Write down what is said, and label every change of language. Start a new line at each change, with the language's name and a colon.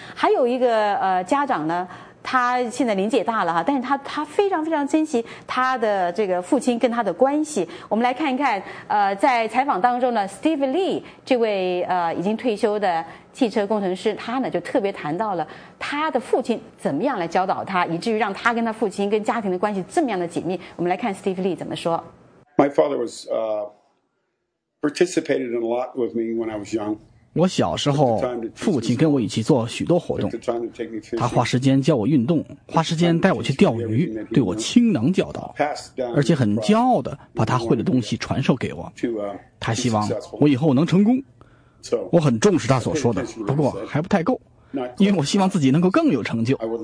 Chinese: 还有一个家长呢。他现在年纪大了哈，但是他非常非常珍惜他的这个父亲跟他的关系。我们来看一看，在采访当中呢 ，Steve Lee 这位已经退休的汽车工程师，他呢就特别谈到了他的父亲怎么样来教导他，以至于让他跟他父亲跟家庭的关系这么样的紧密。我们来看 Steve Lee 怎么说。
English: My father was participated in a lot with me when I was young.
Chinese: 我小时候父亲跟我一起做许多活动，他花时间教我运动，花时间带我去钓鱼，对我倾囊教导，而且很骄傲地把他会的东西传授给我，他希望我以后能成功。我很重视他所说的，不过还不太够，因为我希望自己能够更有成就。